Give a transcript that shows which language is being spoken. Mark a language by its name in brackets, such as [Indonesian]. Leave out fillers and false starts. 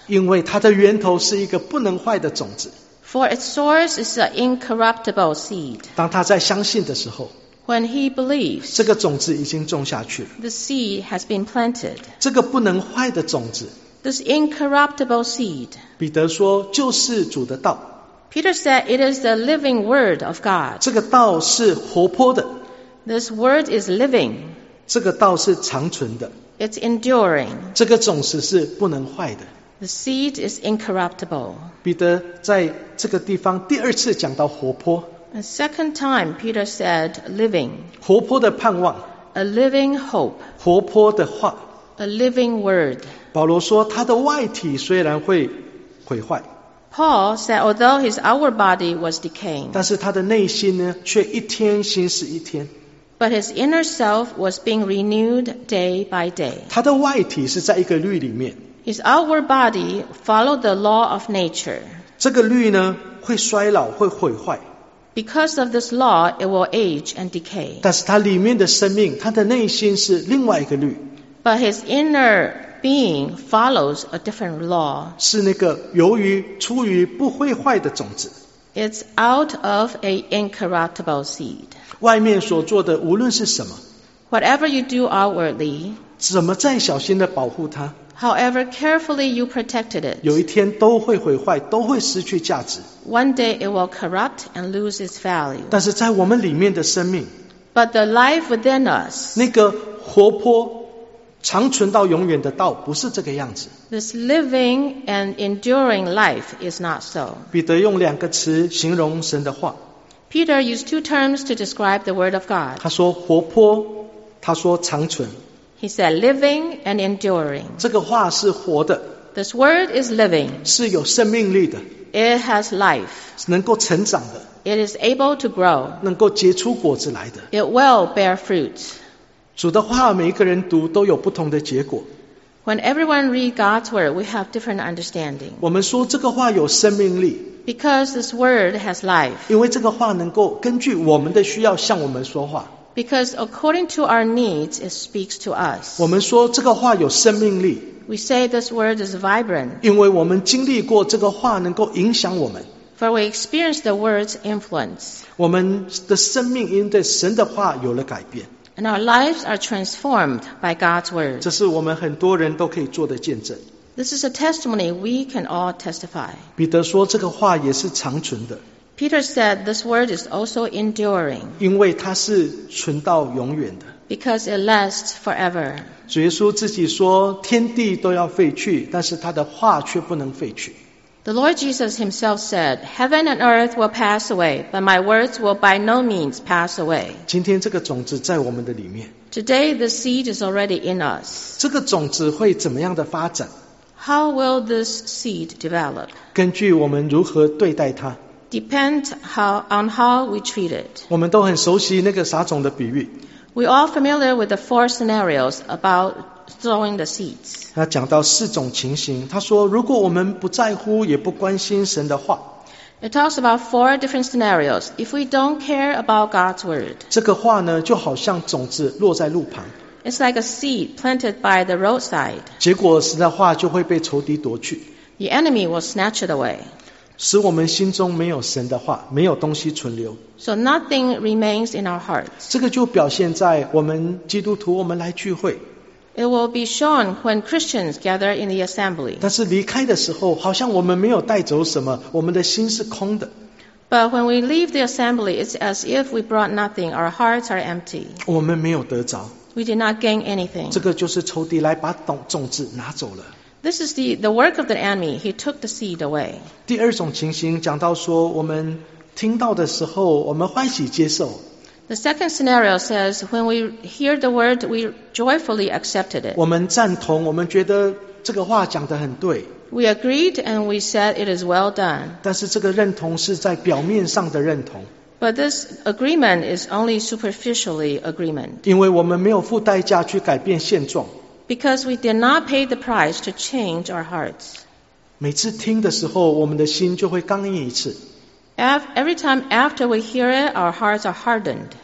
[Chinese] 因为它的源头是一个不能坏的种子。 [English] For its source is an incorruptible seed. [Chinese] 当他在相信的时候。 [English] When he believes. [Chinese] 这个种子已经种下去了。 [English] The seed has been planted. [Chinese] 这个不能坏的种子。 [English] This incorruptible seed. [Chinese] 彼得说就是主的道。 [English] Peter said it is the living word of God. [Chinese] 这个道是活泼的。 [English] This word is living. [Chinese] 这个道是长存的。 [English] It's enduring. [Chinese] 这个种子是不能坏的。 [English] The seed is incorruptible. [Chinese] 彼得在这个地方第二次讲到活泼。 [English] A second time, Peter said living. [Chinese] 活泼的盼望。 [English] A living hope. [Chinese] 活泼的话。 [English] A living word. [Chinese] 保罗说他的外体虽然会毁坏。 [English] Paul said, although his outward body was decaying, [Chinese] 但是他的内心呢，却一天新似一天。 [English] But his inner self was being renewed day by day. [Chinese] 他的外体是在一个律里面。 [English] His outward body followed the law of nature. [Chinese] 这个律呢，会衰老，会毁坏。 [English] Because of this law, it will age and decay. [Chinese] 但是他里面的生命，他的内心是另外一个律。 [English] But his inner being follows a different law. [Chinese] 是那个由于出于不会坏的种子。 [English] It's out of an incorruptible seed. [Chinese] 外面所做的无论是什么。 [English] Whatever you do outwardly. [Chinese] 怎么再小心的保护它。 [English] However carefully you protected it. [Chinese] 有一天都会毁坏，都会失去价值。 [English] One day it will corrupt and lose its value. [Chinese] 但是在我们里面的生命。 [English] But the life within us. [Chinese] 那个活泼长存到永远的道不是这个样子。 [English] This living and enduring life is not so. [Chinese] 彼得用两个词形容神的话。 [English] Peter used two terms to describe the word of God. [Chinese] 他说活泼，他说长存。 [English] He said living and enduring. [Chinese] 这个话是活的。 [English] This word is living. [Chinese] 是有生命力的。 [English] It has life. [Chinese] 能够成长的。 [English] It is able to grow. [Chinese] 能够结出果子来的。 [English] It will bear fruit. [Chinese] 主的话每一个人读都有不同的结果。 [English] When everyone reads God's word, we have different understanding. [Chinese] 我们说这个话有生命力。 [English] Because this word has life. [Chinese] 因为这个话能够根据我们的需要向我们说话。 [English] Because according to our needs, it speaks to us. [Chinese] 我们说这个话有生命力。 [English] We say this word is vibrant. [Chinese] 因为我们经历过这个话能够影响我们。 [English] For we experience the word's influence. [Chinese] 我们的生命因着神的话有了改变。 [English] And our lives are transformed by God's word. [Chinese] 这是我们很多人都可以做的见证。 [English] This is a testimony we can all testify. [Chinese] 彼得说这个话也是长存的。 [English] Peter said this word is also enduring. [Chinese] 因为它是存到永远的。 [English] Because it lasts forever. [Chinese] 主耶稣自己说天地都要废去，但是他的话却不能废去。 [English] The Lord Jesus himself said, Heaven and earth will pass away, but my words will by no means pass away. [Chinese] 今天这个种子在我们的里面。 [English] Today the seed is already in us. [Chinese] 这个种子会怎么样的发展？ [English] How will this seed develop? [Chinese] 根据我们如何对待它。 [English] Depend on how we treat it. [Chinese] 我们都很熟悉那个撒种的比喻。 [English] We are all familiar with the four scenarios about sowing the seeds. [Chinese] 他讲到四种情形，他说如果我们不在乎也不关心神的话。 [English] It talks about four different scenarios. If we don't care about God's word. [Chinese] 这个话呢就好像种子落在路旁。 [English] It's like a seed planted by the roadside. [Chinese] 结果神的话就会被仇敌夺去。 [English] The enemy will snatch it away. [Chinese] 使我们心中没有神的话，没有东西存留。 [English] So nothing remains in our hearts. [Chinese] 这个就表现在我们基督徒我们来聚会。 [English] It will be shown when Christians gather in the assembly. [Chinese] 但是离开的时候，好像我们没有带走什么，我们的心是空的。 [English] But when we leave the assembly, it's as if we brought nothing. Our hearts are empty. [Chinese] 我们没有得着。 [English] We did not gain anything. [Chinese] 这个就是仇敌来把种子拿走了。 [English] This is the work of the enemy. He took the seed away. [Chinese] 第二种情形讲到说，我们听到的时候，我们欢喜接受。 [English] The second scenario says, when we hear the word, we joyfully accepted it. [Chinese] 我们赞同，我们觉得这个话讲得很对。 [English] We agreed and we said it is well done. [Chinese] 但是这个认同是在表面上的认同。 [English] But this agreement is only superficially agreement. [Chinese] 因为我们没有付代价去改变现状。 [English] Because we did not pay the price to change our hearts. [Chinese] 每次听的时候，我们的心就会刚硬一次。 [English] Every time after we hear it, our hearts are hardened.